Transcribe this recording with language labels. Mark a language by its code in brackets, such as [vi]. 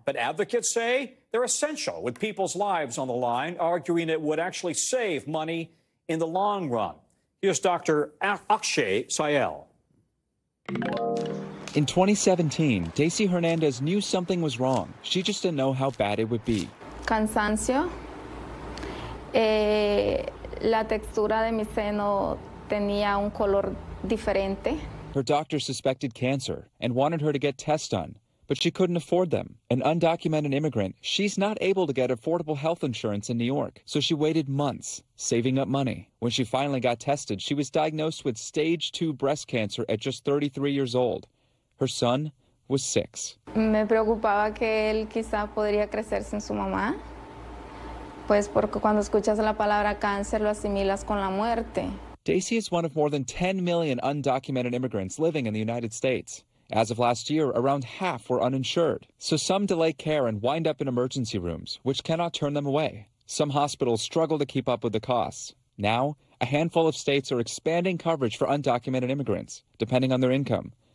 [en] But advocates say they're essential, with people's lives on the line, arguing it would actually save money in the long run. Here's Dr. Akshay Sayal. In 2017, Daisy Hernandez knew something was wrong. She just didn't know how bad it would be. [es] Cansancio. La textura de mi seno tenía un color diferente. [en] Her doctor suspected cancer and wanted her to get tests done, but she couldn't afford them. An undocumented immigrant, she's not able to get affordable health insurance in New York, so she waited months, saving up money. When she finally got tested, she was diagnosed with stage 2 breast cancer at just 33 years old. Her son was 6. [es] Me preocupaba que él quizá podría crecer sin su mamá, pues porque cuando escuchas la palabra cáncer lo asimilas con la muerte. [en] Daisy is one of more than 10 million undocumented immigrants living in the United States. As of last year, around half were uninsured. So some delay care and wind up in emergency rooms, which cannot turn them away. Some hospitals struggle to keep up with the costs. Now, a handful of states are expanding coverage for undocumented immigrants, depending on their income.